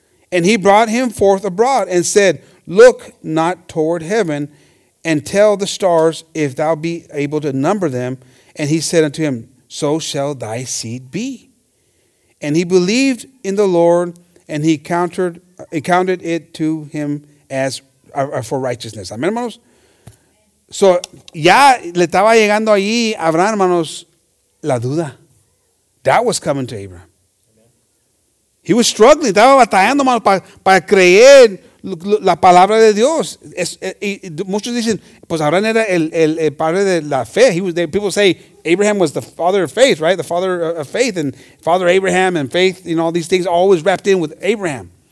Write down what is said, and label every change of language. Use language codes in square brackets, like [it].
[en] And he brought him forth abroad and said, look not toward heaven and tell the stars if thou be able to number them. And he said unto him, so shall thy seed be. And he believed in the Lord and he counted it to him as for righteousness. [es] Amén, hermanos. So, ya le estaba llegando allí a Abraham, hermanos, la duda. [en] That was coming to Abraham. He was struggling. [es] Estaba batallando, hermano, para creer la palabra de Dios. Muchos dicen, pues Abraham era el padre de la fe. [en] People say Abraham was the father of faith, right? The father of faith and father Abraham and faith, you know, all these things always wrapped in with Abraham.